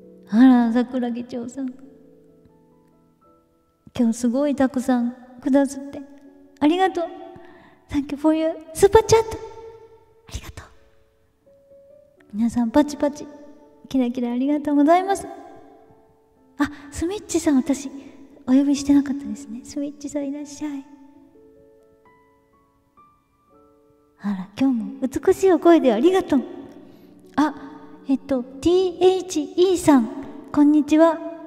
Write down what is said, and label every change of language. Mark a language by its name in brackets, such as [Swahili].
[Japanese] あら桜木町さん、今日すごいたくさんくださってありがとう。 [English] Thank you for your super chat、 [Japanese] ありがとう。皆さんパチパチキラキラありがとうございます。あ、スミッチさん、私お呼びしてなかったですね。スミッチさんいらっしゃい。あら今日も美しいお声でありがとう。あ、THE さんこんにちは。